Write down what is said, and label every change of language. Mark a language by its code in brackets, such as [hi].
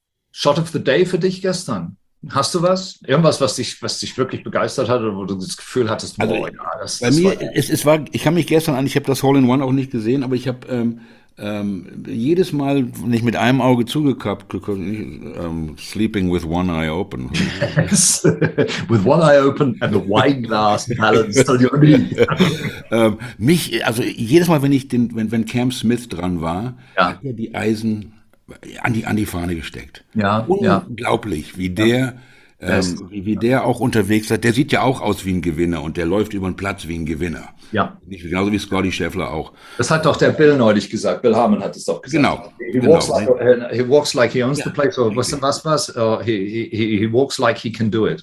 [de] Shot of the Day für dich gestern. Hast du was? Irgendwas, was dich wirklich begeistert hat oder wo du das Gefühl hattest, also, boah, ja, das bei mir, war, es war, ich habe mich gestern an, ich habe das Hole-in-One auch nicht gesehen, aber ich habe jedes Mal nicht mit einem Auge zugekappt, [en] sleeping with one eye open. Yes. With one eye open and a wine glass balanced on your knee. [de] Mich, also jedes Mal, wenn ich den, wenn Cam Smith dran war, ja, hat er die Eisen an die Fahne gesteckt. Ja, unglaublich, wie der, ja, der auch unterwegs hat. Der sieht ja auch aus wie ein Gewinner und der läuft über den Platz wie ein Gewinner. Ja. Nicht, genauso wie Scotty Scheffler auch. Das hat doch der Bill neulich gesagt. Bill Harmon hat es doch gesagt. Genau. [en] He walks like he owns the place. [de] Or was denn was? [en] He walks like he can do it.